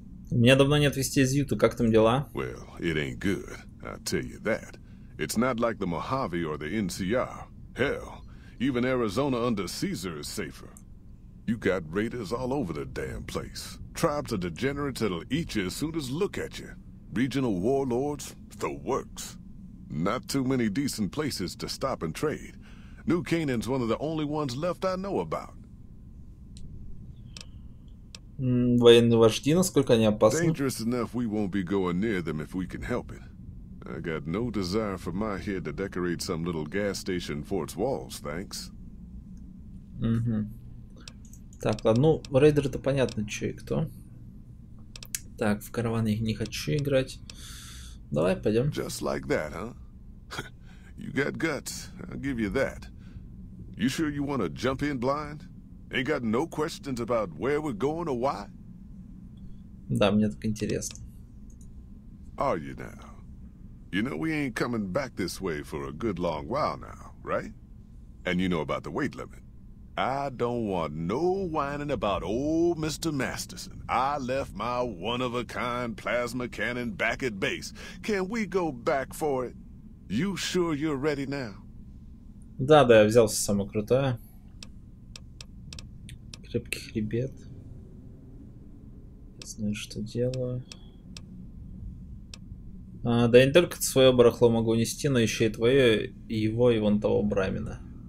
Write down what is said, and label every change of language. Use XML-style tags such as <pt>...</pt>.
<ru>У меня давно нет вести из Юты, как там дела?</ru> <en>Well, it ain't good, I'll tell you that. It's not like the Mojave or the NCR. Hell, even Arizona under Caesar is safer. You got raiders all over the damn place. Tribes of degenerates that'll eat you as soon as look at you. Regional warlords, the works. Not too many decent places to stop and trade. New Canaan's one of the only ones left I know about.</en> <ru>Военные вожди, насколько они опасны?</ru> <en>Dangerous enough we won't be going near them if we can help it. I got no desire for my head to decorate some little gas station for its walls, thanks. Угу.</en> <ru>Так, ладно, ну, рейдер это понятно, чё и кто. Так, в караван я не хочу играть. Давай, пойдем.</ru> <en>Just like that, huh? You got guts, I'll give you that. You sure you want to jump in blind? Ain't got no questions about where we're going or why?</en> <ru>Да, мне так интересно.</ru> <en>Are you now? You know we ain't coming back this way for a good long while now, right? And you know about the weight limit. I don't want no whining about old Mr. Masterson. I left my one-of-a-kind plasma cannon back at base. Can we go back for it? You sure you're ready now?</en> <ru>Да, да, я взялся самое крутое. Крепкий хребет. Не знаю, что делаю. Да не только свое барахло могу унести, но еще и твое, и его, и вон того брамина.</ru>